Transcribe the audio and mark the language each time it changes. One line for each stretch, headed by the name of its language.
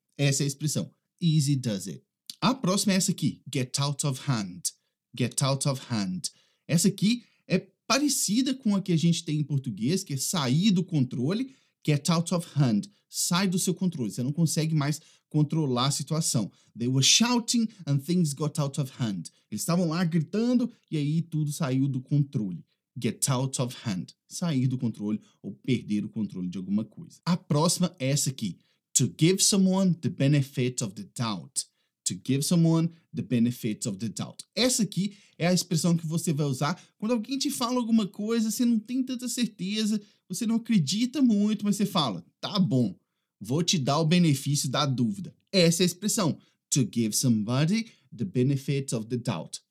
Portuguese: Essa é a expressão, easy does it. A próxima é essa aqui, get out of hand, get out of hand. Essa aqui é parecida com a que a gente tem em português, que é sair do controle, get out of hand, sai do seu controle, você não consegue mais controlar a situação.
English: They were shouting and things got out of hand.
Portuguese: Eles estavam lá gritando e aí tudo saiu do controle. Get out of hand, sair do controle ou perder o controle de alguma coisa. A próxima é essa aqui,
English: to give someone the benefit of the doubt. to give someone the benefit of the doubt.
Portuguese: Essa aqui é a expressão que você vai usar quando alguém te fala alguma coisa, você não tem tanta certeza, você não acredita muito, mas você fala, tá bom, vou te dar o benefício da dúvida. Essa é a expressão,
English: to give somebody the benefit of the doubt.